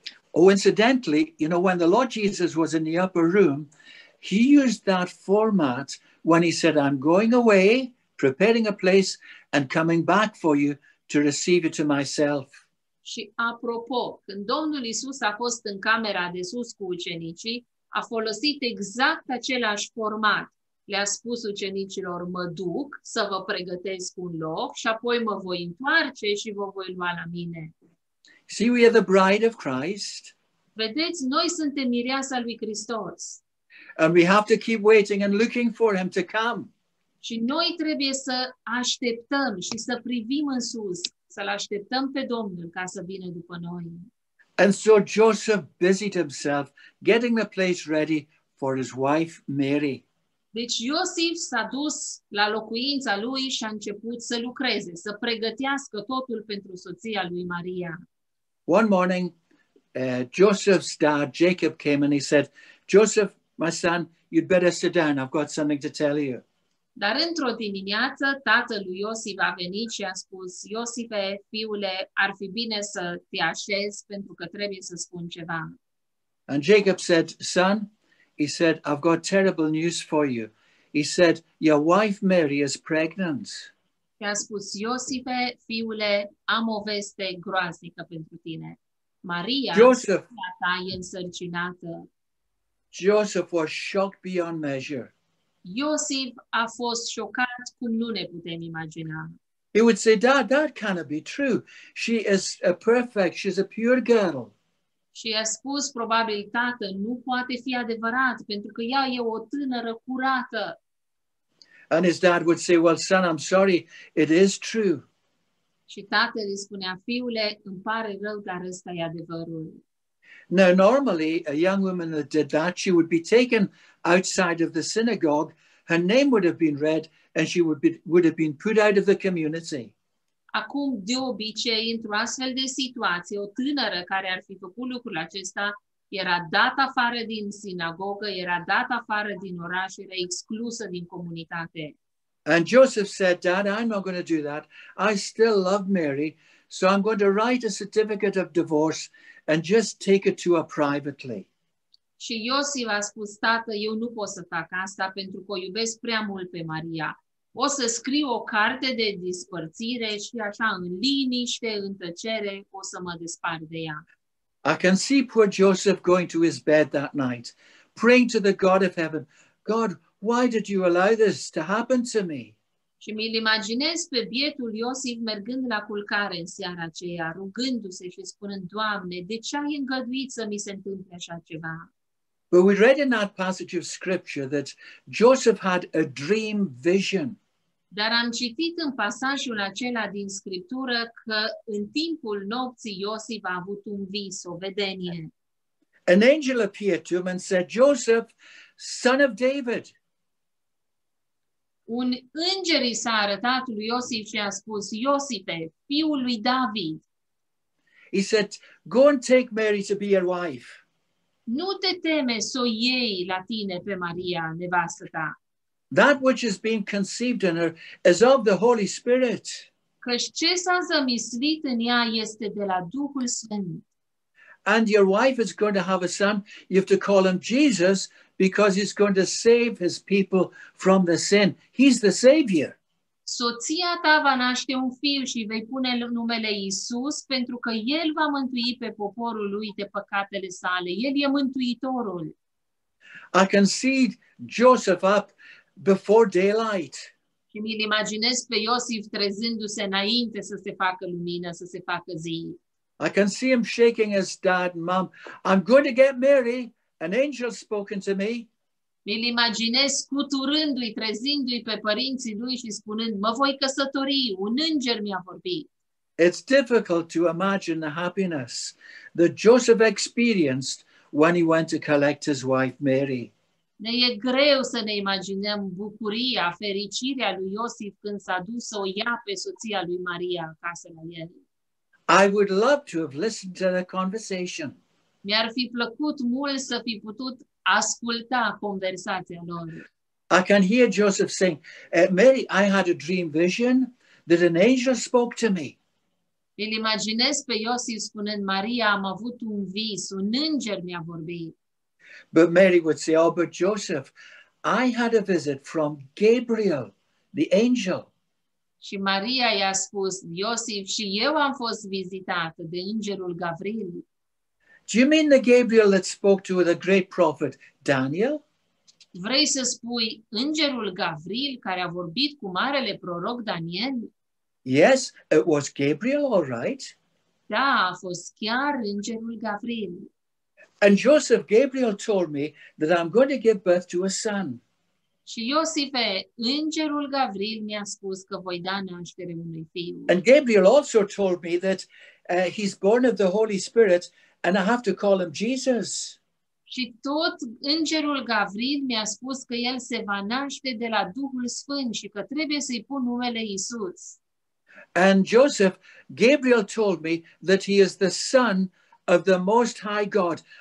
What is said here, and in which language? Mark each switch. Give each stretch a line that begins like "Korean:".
English: Oh, incidentally, you know, when the Lord Jesus was in the upper room, he used that format when he said, I'm going away, preparing a place, and coming back for you to receive you to myself.
Romanian: Și apropo, când Domnul Iisus a fost în camera de sus cu ucenicii, a folosit exact același format. Le-a spus ucenicilor, mă duc să vă pregătesc un loc și apoi mă voi întoarce și vă voi lua la mine.
English: See, we are the bride of Christ.
Romanian: Vedeți, noi suntem mireasa lui Hristos.
English: And we have to keep waiting and looking for him to come.
Romanian: Și noi trebuie să așteptăm și să privim în sus, să-l așteptăm pe Domnul ca să vină după noi.
English: And so Joseph busied himself getting the place ready for his wife Mary.
Romanian: Deci Iosif s-a dus la locuința lui și a început să lucreze, să pregătească totul pentru soția lui Maria.
English: One morning, Joseph's dad Jacob came and he said, Joseph, my son, you'd better sit down. I've got something to tell you.
Romanian: Dar într-o dimineață, tatăl lui Iosif a venit și a spus, Iosife, fiule, ar fi bine să te așezi pentru că trebuie să spun ceva.
English: And Jacob said, son, he said, I've got terrible news for you. He said, your wife Mary is pregnant.
Romanian: Și a spus, Iosife, fiule, am o veste groaznică pentru tine. Maria, fiica ta, e însărcinată.
English: Joseph was shocked beyond measure.
Romanian: Iosif a fost șocat cum nu ne putem imagina.
English: He would say, Dad, that cannot be true. She is a perfect, she's a pure girl.
Romanian: Și a spus probabil tată, nu poate fi adevărat pentru că ea e o tânără curată.
English: And his dad would say, well, son, I'm sorry, it is true.
Romanian: Și tatăl îi spunea, fiule, îmi pare rău, dar ăsta e adevărul.
English: Now, normally, a young woman that did that, she would be taken outside of the synagogue, her name would have been read, and she would have been put out of the community.
Romanian: Acum, de obicei, într-o astfel de situație, o tânără care ar fi făcut lucrul acesta era dat afară din sinagogă, era dat afară din oraș, era exclusă din comunitate.
English: And Joseph said, Dad, I'm not going to do that. I still love Mary, so I'm going to write a certificate of divorce and just take it to her privately.
Romanian: Și Iosif a spus, tată, eu nu pot să fac asta pentru că o iubesc prea mult pe Maria. O să scriu o carte de dispărțire și așa, în liniște, în tăcere, o să mă despart de ea.
English: I can see poor Joseph going to his bed that night, praying to the God of heaven, God, why did you allow this to happen to me?
Romanian: Și mi-l imaginez pe bietul Iosif mergând la culcare în seara aceea, rugându-se și spunând, Doamne, de ce ai îngăduit să mi se întâmple așa ceva?
English: But we read in that passage of scripture that Joseph had a dream vision.
Romanian: Dar am citit în pasajul acela din scriptură că în timpul nopții Iosif a avut un vis, o vedenie.
English: An angel appeared to him and said, Joseph, son of David.
Romanian: Un înger i s-a arătat lui Iosif și a spus, Iosife, fiul lui David.
English: He said, go and take Mary to be your wife.
Romanian: Nu te teme s-o iei la tine pe Maria, nevastă ta.
English: That which has been conceived in her is of the Holy Spirit.
Romanian: Căci ce s-a zămislit în ea este de la Duhul Sfânt.
English: And your wife is going to have a son. You have to call him Jesus because he's going to save his people from the sin. He's the Savior.
Romanian: Soția ta va naște un fiu și vei pune numele Iisus pentru că el va mântui pe poporul lui de păcatele sale. El e mântuitorul.
English: I can see Joseph up before daylight.
Romanian: Și mi-l imaginez pe Iosif trezându-se înainte să se facă lumină, să se facă zi.
English: I can see him shaking his dad and mom. I'm going to get Mary. An angel spoken to me.
Romanian: Mi-l imaginez scuturându-i, trezindu-i pe părinții lui și spunând, mă voi căsători, un înger mi-a vorbit.
English: It's difficult to imagine the happiness that Joseph experienced when he went to collect his wife Mary.
Romanian: Ne e greu să ne imaginăm bucuria, fericirea lui Iosif când s-a dus să o ia pe soția lui Maria acasă la el.
English: I would love to have listened to the conversation.
Romanian: Mi-ar fi plăcut mult să fi putut asculta conversația lor.
English: I can hear Joseph saying, Mary, I had a dream vision that an angel spoke to me.
Romanian: Îl imaginez pe Iosif spunând, Maria, am avut un vis, un înger mi-a vorbit.
English: But Mary would say, oh, but Joseph, I had a visit from Gabriel, the angel.
Romanian: Și Maria i-a spus, Iosif, și eu am fost vizitată de îngerul Gabriel.
English: Do you mean the Gabriel that spoke to the great prophet Daniel?
Romanian: Vrei să spui îngerul Gavril care a vorbit cu marele proroc Daniel?
English: Yes, it was Gabriel, all right.
Romanian: Da, a fost chiar îngerul Gavril.
English: And Joseph, Gabriel told me that I'm going to give birth to a son.
Romanian: Și Iosife, îngerul Gavril mi-a spus că voi da naștere unui fiu.
English: And Gabriel also told me that he's born of the Holy Spirit. And I have to call him Jesus.
Romanian: Și tot îngerul Gavril mi-a spus că el se va naște de la Duhul Sfânt și că trebuie să-i pun numele Iisus.
English: And Joseph, Gabriel told me that he is the son of the Most High God.